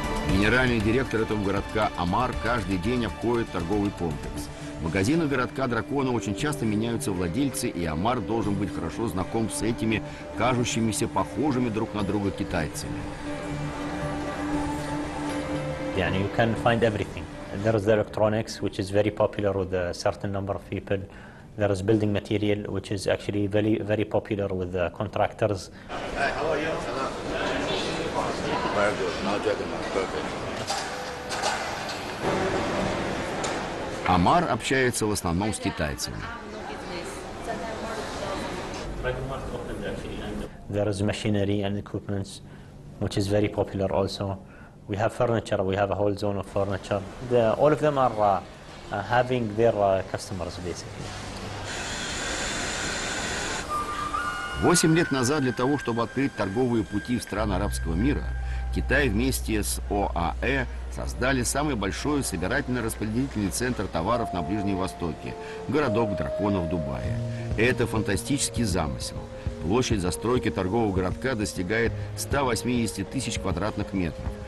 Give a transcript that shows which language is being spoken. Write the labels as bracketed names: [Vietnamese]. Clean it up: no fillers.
[Russian] Генеральный директор этого городка Амар каждый день обходит торговый комплекс. Магазины городка Дракона очень часто меняются владельцы, и Амар должен быть хорошо знаком с этими кажущимися похожими друг на друга китайцами. [English] Yeah, you can find everything. There is the electronics, which is very popular with a certain number of people. There is building material, which is actually very, very popular with the contractors. Hey, how are you? [Russian] Амар общается в основном с китайцами. [English] There is machinery and equipment, which is very popular also. We have furniture, we have a whole zone of furniture. All of them are having their customers basically. [Russian] 8 лет назад для того, чтобы открыть торговые пути в страны арабского мира, Китай вместе с ОАЭ создали самый большой собирательно-распределительный центр товаров на Ближнем Востоке – городок драконов Дубая. Это фантастический замысел. Площадь застройки торгового городка достигает 180 тысяч квадратных метров.